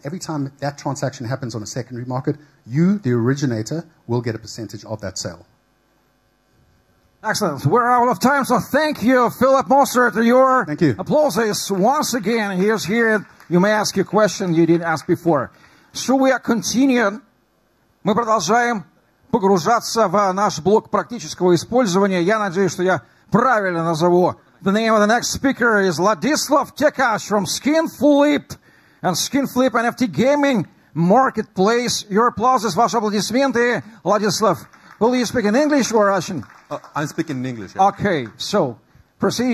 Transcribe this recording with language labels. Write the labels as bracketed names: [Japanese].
[English] Every time that transaction happens on a secondary market, you, the originator, will get a percentage of that sale. Excellent. We're out of time, so thank you, Philip Mostert, for your applauses once again. Here's here. You may ask a question you didn't ask before. So we are continuing. [Russian] Мы продолжаем погружаться в наш блок практического использования. Я надеюсь, что я правильно назову. [English] The name of the next speaker is Ladislav Tekash from SkinFlip and SkinFlip NFT Gaming Marketplace. Your applauses, [Russian] ваши аплодисменты, [English] Ladislav. Will you speak in English or Russian? I'm speaking in English. Yeah. Okay, so proceed.